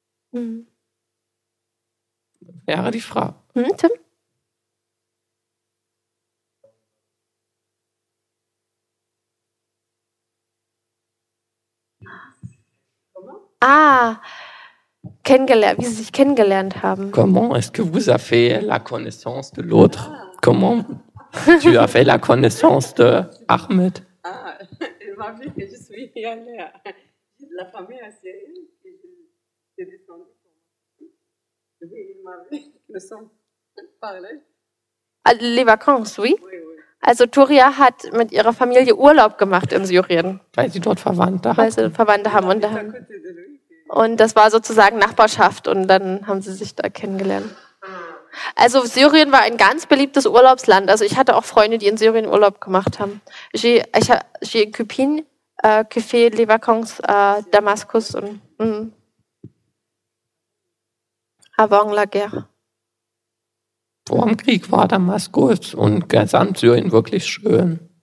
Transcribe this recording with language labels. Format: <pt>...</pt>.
<de>Wäre die Frage. Tim? Ah, kennengelernt, wie sie sich kennengelernt haben.</de> <fr>Comment est-ce que vous avez fait la connaissance de l'autre? Comment? Tu as fait la connaissance de Ahmed. Ah, il m'a dit que je suis allée. La famille a serré. J'ai descendu. Il m'a dit que nous sommes parlés. Les vacances, oui. Oui, oui.</fr> <de>Also, Turia hat mit ihrer Familie Urlaub gemacht in Syrien. Weil sie dort Verwandte haben. Weil sie Verwandte haben. Und das war sozusagen Nachbarschaft. Und dann haben sie sich da kennengelernt. Also Syrien war ein ganz beliebtes Urlaubsland. Also ich hatte auch Freunde, die in Syrien Urlaub gemacht haben.</de> <fr>J'ai un copine, qui fait les vacances à Damaskus und avant la guerre.</fr> <de>Vor dem Krieg war Damaskus und Gesamt-Syrien wirklich schön.</de>